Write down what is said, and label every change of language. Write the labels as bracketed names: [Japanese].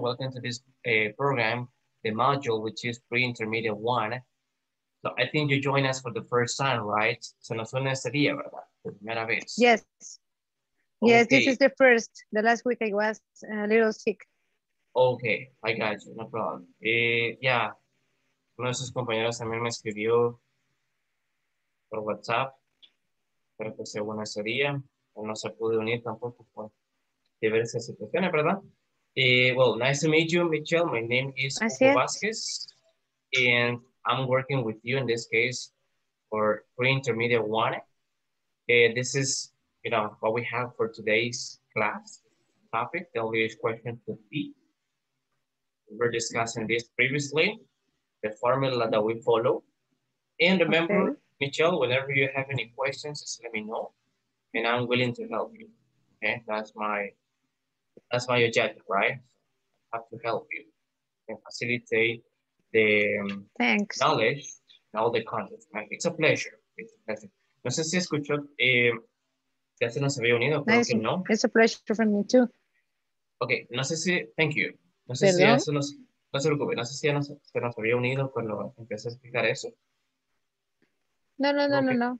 [English] Welcome to this program, the module, which is pre-intermediate one. So I think you join us for the first time, right? [Spanish] Se nos une este día, ¿verdad? Primera vez. [English] Yes. Okay. Yes, this is the first. The last week I was a little sick. Okay, I got you. No problem. Yeah. [Spanish] Uno de sus compañeros también me escribió por WhatsApp. Espero que sea bueno ese día. No se pudo unir tampoco por diversas situaciones, ¿verdad? [English] Well, nice to meet you, Michelle. My name is Vasquez. And I'm working with you in this case for pre-intermediate one. This is, you know, what we have for today's class topic. The obvious question would be, we were discussing this previously, the formula that we follow. And remember, okay. Michelle, whenever you have any questions, just let me know. And I'm willing to help you. Okay, that's my objective, right? I have to help you and facilitate the knowledge and all the content. Right? It's a pleasure. It's a pleasure. [Spanish] No sé si escuchó, ya se nos había unido, creo que no. [English] It's a pleasure for me too. [Spanish] Okay, no sé si, thank you. No sé si ya se nos... No se preocupe, no sé si ya se nos había unido cuando empecé a explicar eso. No.